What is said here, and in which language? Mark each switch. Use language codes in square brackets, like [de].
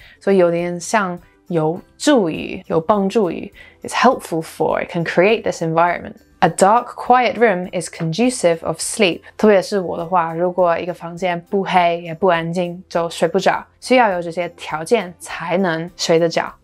[zh] 所以有点像有助于，有帮助于。 [en] It's helpful for, it can create this environment. A dark, quiet room is conducive of sleep. [zh] 特别是我的话，如果一个房间不黑也不安静，就睡不着，需要有这些条件才能睡得着。